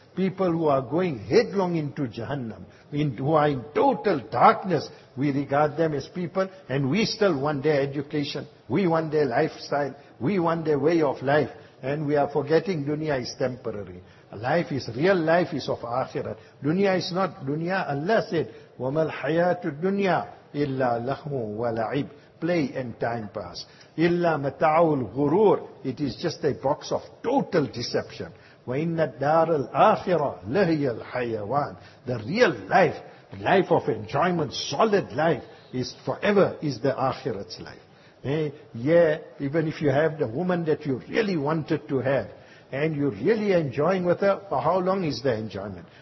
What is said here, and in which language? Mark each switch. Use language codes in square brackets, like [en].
[en] People who are going headlong into Jahannam, who are in total darkness, we regard them as people, and we still want their education, we want their lifestyle, we want their way of life, and we are forgetting dunya is temporary. Life is, real life is of akhirat. Dunya is not dunya. Allah said, [ar] وَمَا الْحَيَاةُ الدُّنْيَا إِلَّا لَهُ وَلَعِبْ. [en] Play and time pass. [ar] إِلَّا مَتَعُ الْغُرُورِ. [en] It is just a box of total deception. [ar] وَإِنَّ الدَّارَ الْآخِرَةِ لَهِيَ الْحَيَوَانِ. [en] The real life, life of enjoyment, solid life, is forever, is the akhirat's life. Even if you have the woman that you really wanted to have, and you're really enjoying with her, for how long is the enjoyment?